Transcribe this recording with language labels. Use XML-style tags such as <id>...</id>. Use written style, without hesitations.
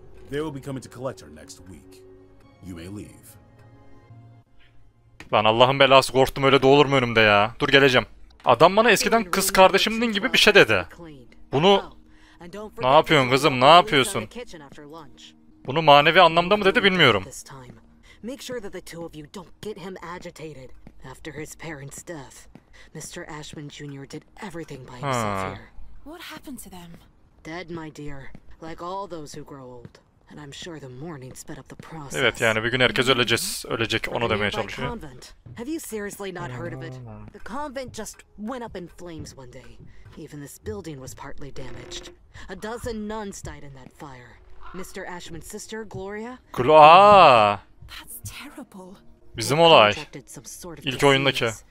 <en>They will be coming to collect her next week. You may leave.</en> <tr>Lan Allah'ın belası, korktum öyle de olur mu önümde ya? Dur geleceğim. Adam bana eskiden kız kardeşimdin gibi bir şey dedi. Bunu... Ne yapıyorsun kızım, ne yapıyorsun? Bunu manevi anlamda mı dedi bilmiyorum.</tr> <en>Make sure that the two of you don't get him agitated after his parents' death. Mr. Ashman Jr. did everything by himself here. What happened to them? Dead, my dear. Like all those who grow old. And I'm sure the mourning sped up the process.</en> <tr>Evet, yani bir gün herkes ölecek, onu demeye çalışıyor.</tr> <en>Have you seriously not heard of it? The convent just went up in flames one day. Even this building was partly damaged. A dozen nuns died in that fire. Mr. Ashman's sister, Gloria? That's terrible.</en> <tr>Bizim olay. İlk oyundaki.</tr>